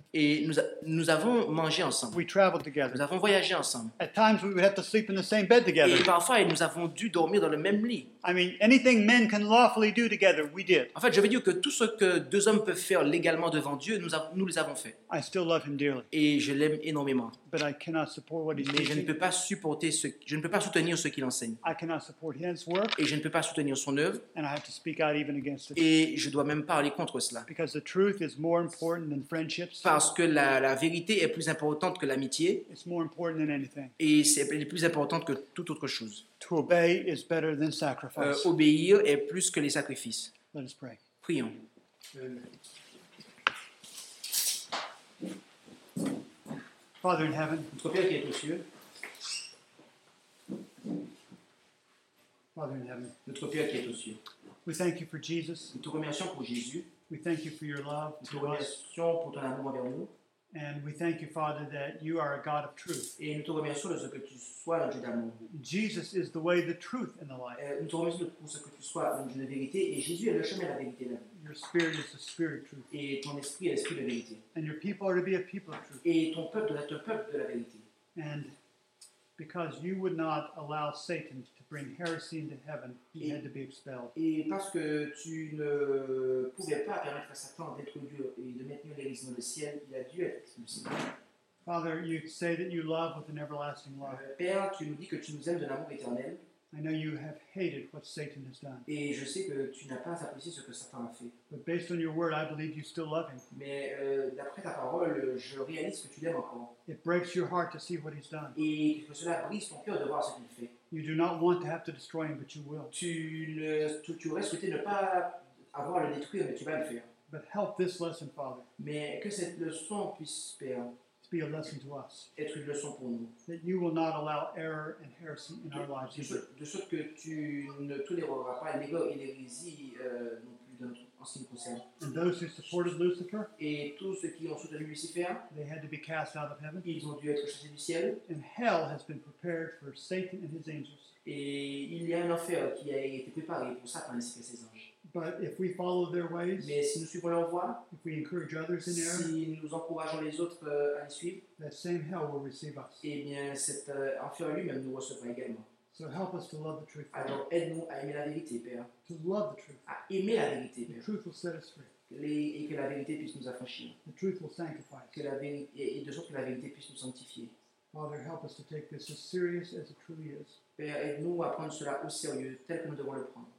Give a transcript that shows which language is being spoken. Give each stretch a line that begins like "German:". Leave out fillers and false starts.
French: Et nous avons mangé ensemble.
English: We traveled together.
French: Nous avons voyagé ensemble.
English: At times we would have to sleep in the same bed together.
French: Et parfois nous avons dû dormir dans le même lit.
English: I mean, anything men can lawfully do together, we did.
French: En fait, je veux dire que tout ce que deux hommes peuvent faire légalement devant Dieu, nous les avons fait.
English: I still love him dearly.
French: Et je l'aime énormément.
English: But I cannot support what he's teaching.
French: Mais je ne peux pas soutenir ce qu'il enseigne.
English: I cannot support his work.
French: Et je ne peux pas soutenir son œuvre.
English: And I have to speak out even against it.
French: Et je dois même parler contre cela.
English: Because the truth is more important than friendships.
French: Parce que la vérité est plus importante que l'amitié.
English: It's more important than anything.
French: Et c'est plus importante que toute autre chose.
English: To obey is better than sacrifice.
French: Obéir est plus que les sacrifices.
English: Let us pray.
French: Prions.
English: Father in heaven,
French: notre Père qui est aux cieux.
English: Father in heaven,
French: notre Père qui est aux cieux.
English: We thank you for Jesus.
French: Nous te remercions pour Jésus.
English: We thank you for your love.
French: Nous te remercions pour ton amour envers nous.
English: And we thank you, Father, that you are a God of truth.
French: Et nous te remercions de ce que tu sois un Dieu d'amour.
English: Jesus is the way, the truth, and the life.
French: Nous te remercions pour ce que tu sois un Dieu de vérité. Et Jésus est le chemin, la vérité.
English: Your spirit is the spirit of truth.
French: Et ton esprit est l'esprit de vérité.
English: And your people are to be a people of truth.
French: Et ton peuple doit être un peuple de la vérité.
English: And because you would not allow Satan to bring heresy into heaven, he had to be expelled.
French: Et parce que tu ne pouvais pas permettre à Satan d'être dur et de maintenir l'hérésie dans le ciel, il a dû être expulsé.
English: Father, you say that you love with an everlasting love.
French: Père, tu nous dis que tu nous aimes d'un amour éternel.
English: I know you have hated what Satan has done.
French: Et je sais que tu n'as pas apprécié ce que Satan a fait.
English: But based on your word, I believe you still love him.
French: Mais d'après ta parole, je réalise que tu l'aimes encore.
English: It breaks your heart to see what he's done.
French: Et que cela brise ton cœur de voir ce qu'il fait.
English: You do not want to have to destroy him, but you will.
French: Tu aurais souhaité ne pas avoir à le détruire, mais tu vas le faire.
English: But help this lesson, Father.
French: Mais que cette leçon puisse, Père,
English: to be a lesson to us.
French: Être une leçon pour nous.
English: That you will not allow error and heresy in our lives.
French: De sorte que tu ne toléreras pas l'erreur et l'hérésie non plus dans notre en ce qui concerne.
English: And those who supported Lucifer.
French: Et tous ceux qui ont soutenu Lucifer.
English: They had to be cast out of heaven.
French: Ils ont dû être chassés du ciel.
English: And hell has been prepared for Satan and his angels.
French: Et il y a un enfer qui a été préparé pour Satan ainsi que ses anges.
English: But if we follow their ways,
French: mais si nous suivons leurs voies,
English: if we encourage others in error,
French: si nous encourageons les autres à les suivre,
English: that same hell will receive us.
French: Et bien cet enfer lui-même nous recevra également.
English: So help us to love the truth.
French: Alors aide-nous à aimer la vérité, Père.
English: To love the truth.
French: À aimer la vérité, Père.
English: The truth will set us free.
French: Et que la vérité puisse nous affranchir.
English: The truth will sanctify us.
French: Que la vérité, et de sorte que la vérité puisse nous sanctifier.
English: Father, help us to take this as serious as it truly is.
French: Père, aide-nous à prendre cela au sérieux tel que nous devons le prendre.